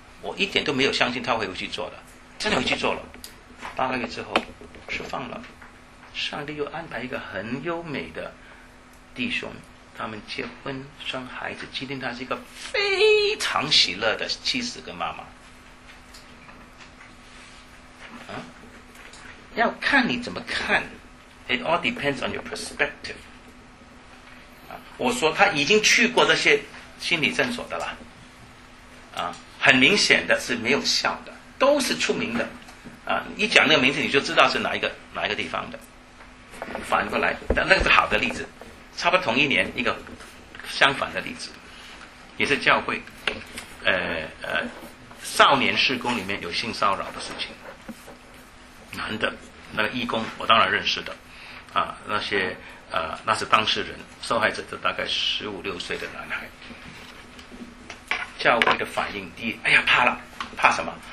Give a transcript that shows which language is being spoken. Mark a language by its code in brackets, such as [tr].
[zh] 我一点都没有相信他会回去做的，真的回去做了。八个月之后释放了，上帝又安排一个很优美的弟兄，他们结婚生孩子，今天他是一个非常喜乐的妻子跟妈妈。啊，要看你怎么看 ， [en] It all depends on your perspective。 [zh] 啊，我说他已经去过这些心理诊所的了，啊，很明显的是没有效的，都是出名的，啊，一讲那个名字你就知道是哪一个地方的。反过来，那个是好的例子。差不多同一年，一个相反的例子，也是教会，少年事工里面有性骚扰的事情，男的，那个义工我当然认识的，啊，那些那是当事人，受害者的大概十五六岁的男孩，教会的反应第一，哎呀怕了，怕什么？